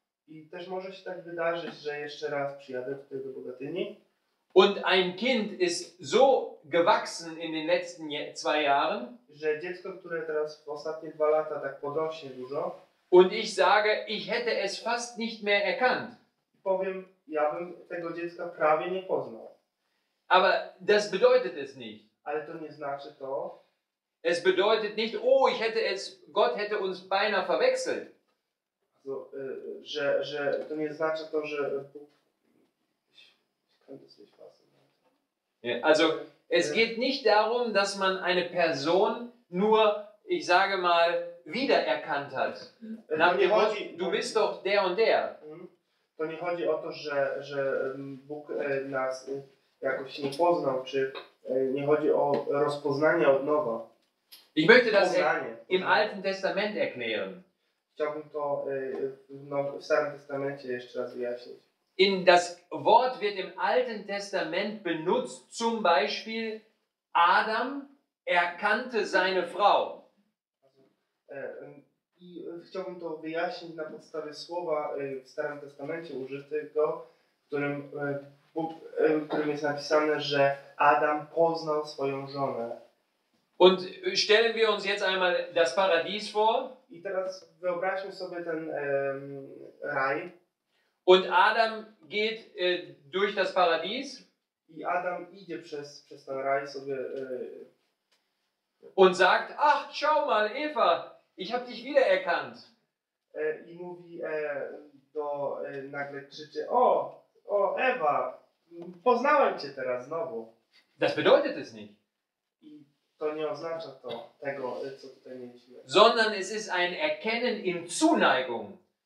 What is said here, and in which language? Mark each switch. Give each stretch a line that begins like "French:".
Polish: I też może się tak wydarzyć, że jeszcze raz przyjadę tutaj do Bogatyni.
German: Und ein Kind ist so gewachsen in den letzten zwei Jahren,
Polish: że dziecko, które teraz w ostatnie dwa lata tak podrośnie dużo.
German: Und ich sage, ich hätte es fast nicht mehr erkannt.
Polish: Powiem, ja bym tego dziecka prawie nie poznał.
German: Aber das bedeutet es nicht.
Polish: Ale to nie znaczy to.
German: Es bedeutet nicht, oh, ich hätte es, Gott hätte uns beinahe verwechselt.
Polish: Also, że to nie znaczy to, że Bóg,
German: ich könnte es nicht fassen. Ja, also, es geht nicht darum, dass man eine Person nur, ich sage mal, wiedererkannt hat. Du bist doch der und der.
Polish: To nie chodzi o to, że Bóg nas jakoś nie poznał, czy nie chodzi o rozpoznanie od nowa.
German: Ich möchte das im Alten Testament erklären.
Polish: Chciałbym to w Starym Testamencie jeszcze raz wyjaśnić.
German: In das Wort wird im Alten Testament benutzt, zum Beispiel Adam erkannte seine Frau.
Polish: I chciałbym to wyjaśnić na podstawie słowa w Starym Testamencie użytego, w którym jest napisane, że Adam poznał swoją żonę.
German: Und stellen wir uns jetzt einmal das Paradies vor.
Polish: I teraz wyobraźmy sobie ten raj.
German: Und Adam geht durch das Paradies.
Polish: I Adam idzie przez ten raj sobie
German: und sagt: "Ach, schau mal, Eva, ich habe dich wiedererkannt."
Polish: I mówi do nagle krzyczy: "O, o Ewa, poznałem cię teraz znowu."
German: Das bedeutet es nicht.
Polish: I to nie oznacza to tego, co tutaj mieliśmy.
German: Sondern es ist ein Erkennen in Zuneigung.